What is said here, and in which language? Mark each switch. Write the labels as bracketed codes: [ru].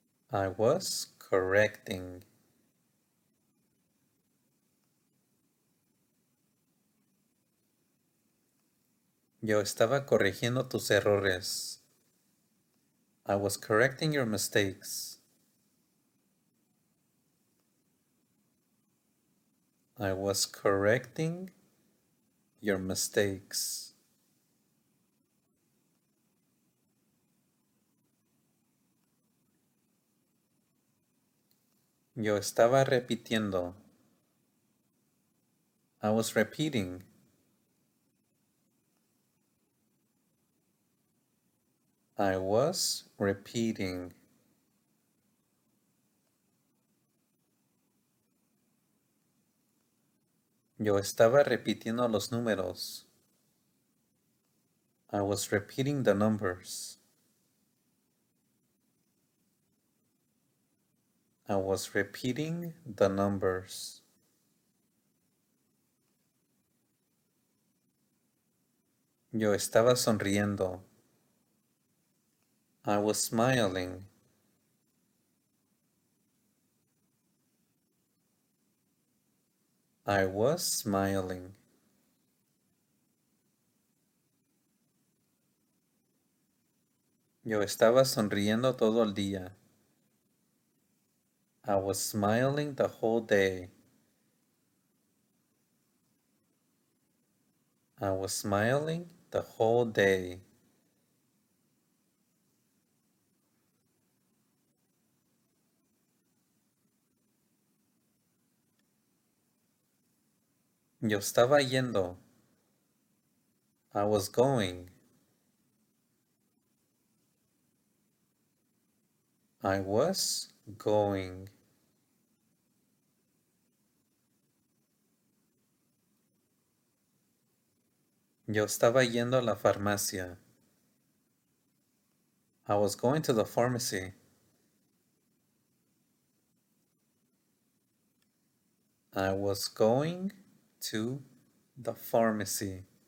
[en] I was correcting. [es] Yo estaba corrigiendo tus errores. [en] I was correcting your mistakes. I was correcting your mistakes. [es] Yo estaba repitiendo. [en] I was repeating. I was repeating. [es] Yo estaba repitiendo los números. [en] I was repeating the numbers. I was repeating the numbers. [es] Yo estaba sonriendo. [en] I was smiling. I was smiling. [es] Yo estaba sonriendo todo el día. [en] I was smiling the whole day. I was smiling the whole day. [es] Yo estaba yendo. [en] I was going. I was going. [es] Yo estaba yendo a la farmacia. [en] I was going to the pharmacy. I was going to the pharmacy.